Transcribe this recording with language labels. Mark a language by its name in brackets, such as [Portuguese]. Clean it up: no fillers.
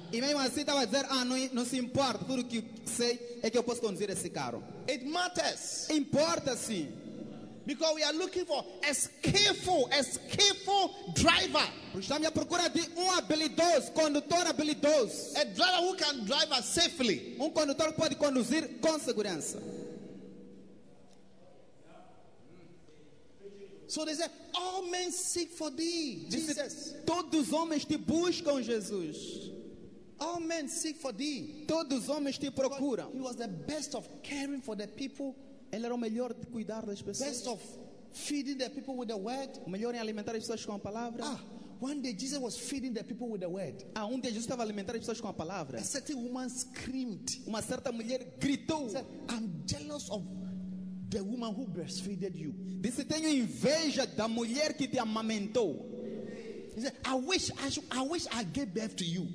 [Portuguese] E mesmo assim estava a dizer, ah, não se importa. Tudo que sei é que eu posso conduzir esse carro. [English] It matters. [Portuguese] Importa sim. [English] Because we are looking for a skillful driver. [Portuguese] Porque estamos à procura de habilidoso, condutor habilidoso. [English] A driver who can drive us safely. [Portuguese] Condutor que pode conduzir com segurança. [English] So they said, all men seek for thee, Jesus. [Portuguese] Todos homens te buscam, Jesus. [English] All men seek for thee. [Portuguese] Todos homens te procuram. [English] Because he was the best of caring for the people. [Portuguese] Ele era o melhor de cuidar das pessoas. [English] Best of feeding the people with the word. [Portuguese] O melhor em alimentar as pessoas com a palavra. [English] Ah, one day Jesus was feeding the people with the word. [Portuguese] Ah, dia Jesus estava alimentando as pessoas com a palavra. [English] A certain woman screamed. [Portuguese] Uma certa mulher gritou. [English] Said, I'm jealous of the woman who breastfed you. [Portuguese] Disse, tenho inveja da mulher que te amamentou. [English] He said, I wish I gave birth to you.